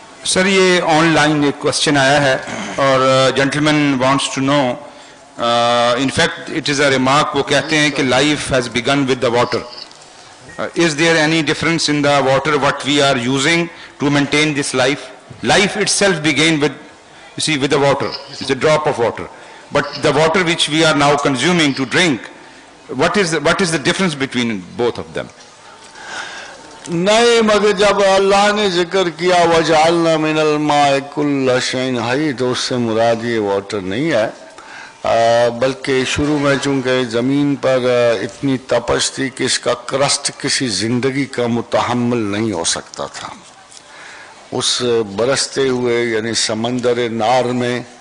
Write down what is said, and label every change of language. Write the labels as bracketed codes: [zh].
[en] Sir, [ur] یہ on line ایک question آیا ہے اور [en] Gentleman wants to know, in fact it is a remark, وہ کہتے ہیں کہ life has begun with the water, is there any difference in the water what we are using to maintain this life? Life itself begin with, you see, with the water. It's a drop of water. But the water which we are now consuming to drink, what is the difference between both of them? [ur] نہیں مگر جب اللہ نے ذکر کیا [ar] وجعلنا من الماء كل شيء حي [ur] تو اس سے مراد یہ واٹر نہیں ہے بلکہ شروع میں چونکہ زمین پر اتنی تپش تھی کہ اس کا کرسٹ کسی زندگی کا متحمل نہیں ہو سکتا تھا اس برستے ہوئے یعنی سمندر نار میں